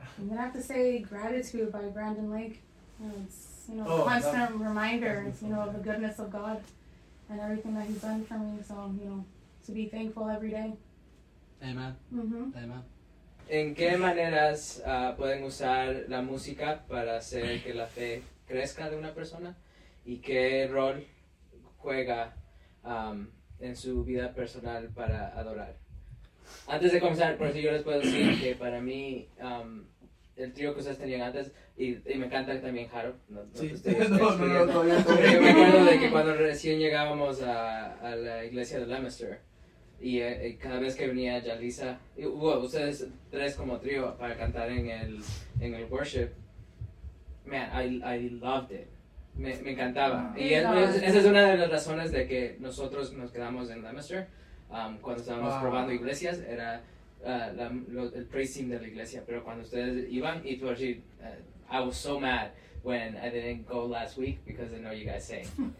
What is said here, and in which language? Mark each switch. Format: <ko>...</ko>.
<en>I'm going to have to say Gratitude by Brandon Lake. It's, you know, constant reminder, you know, of the goodness of God and everything that he's done for me. So, you know, to be thankful every day. Amen. Mm-hmm. Amen.</en> <es>¿En qué maneras pueden usar la música para hacer que la fe crezca de una persona? ¿Y qué rol juega en su vida personal para adorar? Antes de comenzar, por eso yo les puedo decir que para mí, el trío que ustedes tenían antes, y me encanta también Jaro. No, me acuerdo de que cuando recién llegábamos a la iglesia de Leominster, y cada vez que venía Jalisa, ustedes tres como trío para cantar en el worship,</es> <en>man, I loved it.</en> <es>Me encantaba. Oh, y esa es una de las razones de que nosotros nos quedamos en Leominster cuando estábamos probando iglesias, era el praise team de la iglesia. Pero cuando ustedes iban,</es> <en>it was I was so mad when I didn't go last week because I know you guys sang.</en>